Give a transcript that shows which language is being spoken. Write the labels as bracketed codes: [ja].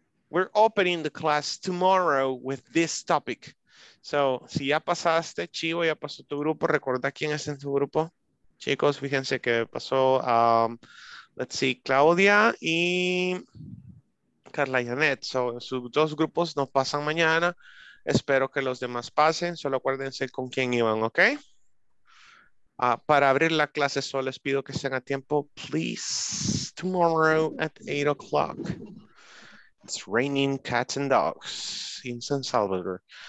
[en] We're opening the class tomorrow with this topic. [es] So, si ya pasaste, chivo, ya pasó tu grupo. Recuerda quién es en tu grupo. Chicos, fíjense que pasó, [en] let's see, [es] Claudia y Carla Janet. So, sus dos grupos nos pasan mañana. Espero que los demás pasen. Solo acuérdense con quién iban, ¿ok? Para abrir la clase, solo les pido que estén a tiempo. [en] Please, tomorrow at 8 o'clock. It's raining cats and dogs in San Salvador.